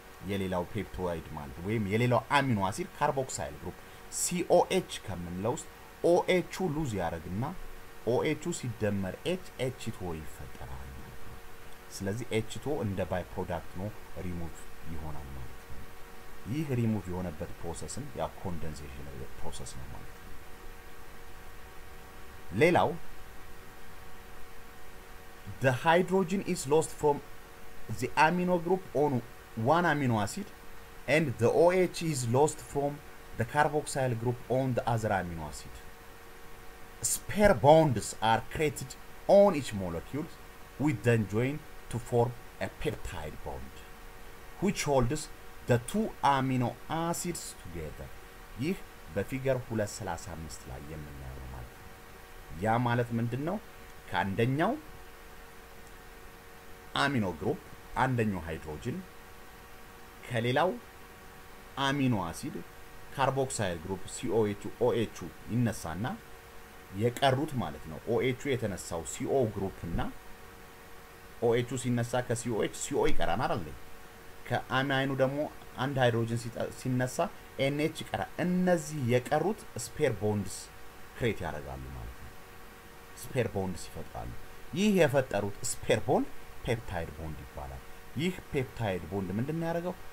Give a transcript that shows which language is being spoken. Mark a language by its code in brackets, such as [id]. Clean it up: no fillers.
[am] የሌላው ፔፕታይድ ማለት ወይም የሌላው አሚኖ አሲድ ካርቦክሳይል ግሩፕ COH ከምንለው ውስጥ OH2 ሉዝ ያደርግና OH2 ሲደመር HH2 ይፈጠራል ስለዚህ H2 እንደ ባይ ፕሮዳክት ነው ሪሙቭ ይሆናል ማለት ነው። ይህ ሪሙቭ የሆነበት ፕሮሰስን ያ ኮንደንሴሽን ፕሮሰስ ነው ማለት ነው። ሌላው [en] the hydrogen is lost from the amino group on one amino acid and the OH is lost from the carboxyl group on the other amino acid. Spare bonds are created on each molecule which then join to form a peptide bond which holds the two amino acids together [am] ይህ በፊገር 235 ላይ የምናየው ማለት ነው ያ ማለት ምንድነው ካንደኛው አሚኖ ግሩፕ አንደኛው ሃይድሮጅን ከሌላው አሚኖ አሲድ ካርቦክሳይል ግሩፕ COH ይነሳና የቀሩት ማለት ነው OH የተነሳው CO ግሩፕና OH ሲነሳ ከCOH CO ይቀራል አይደል? ከአሚኖ ደግሞ አንድ ሃይድሮጅን ሲነሳ NH ይቀራል። እነዚህ የቀሩት ስፔር ቦንድስ ክሬት ያደርጋሉ ማለት ነው። ስፔር ቦንድስ ይፈጥራሉ። ይህ የፈጠሩት ስፔር ቦንድ ፔፕታይድ ቦንድ ይባላል። ይህ ፔፕታይድ ቦንድ ምንድነው ያደርገው?